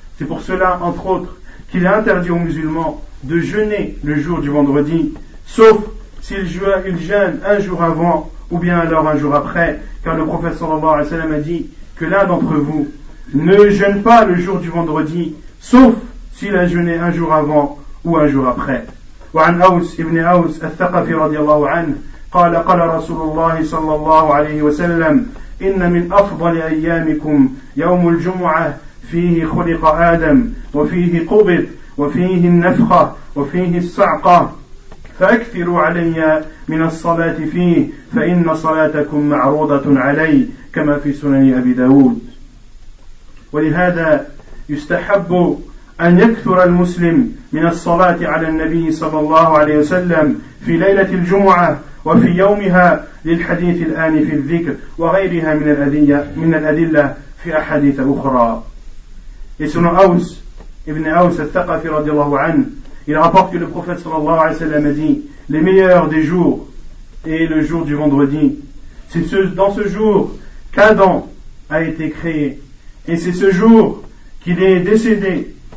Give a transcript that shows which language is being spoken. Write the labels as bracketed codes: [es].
[fr] C'est pour cela, entre autres, qu'il a interdit aux musulmans de jeûner le jour du vendredi, sauf s'ils jeûnent un jour avant ou bien alors un jour après. Car le prophète sallallahu alayhi wa sallam a dit que l'un d'entre vous ne jeûne pas le jour du vendredi, sauf s'il a jeûné un jour avant ou un jour après. [ar] وعن أوس ابن أوس الثقفي رضي الله عنه قال قال رسول الله صلى الله عليه وسلم إن من أفضل أيامكم يوم الجمعة فيه خلق آدم وفيه قبض وفيه النفخة وفيه الصعقة فأكثروا علي من الصلاة فيه فإن صلاتكم معروضة علي كما في سنن أبي داود. ولهذا يستحب أن يكثر المسلم من الصلاة على النبي صلى الله عليه وسلم في ليلة الجمعة وفي يومها للحديث الآن في الذكر وغيرها من الأدلة في أحاديث أخرى. [fr] اسم أوس ابن أوس الثقفي [ar] رضي الله عنه [fr] il rapporte que le prophète [ar] صلى الله عليه وسلم [fr] a dit les meilleurs des jours est le jour du vendredi. C'est dans ce jour qu'Adam a été créé, et c'est ce jour qu'il est décédé.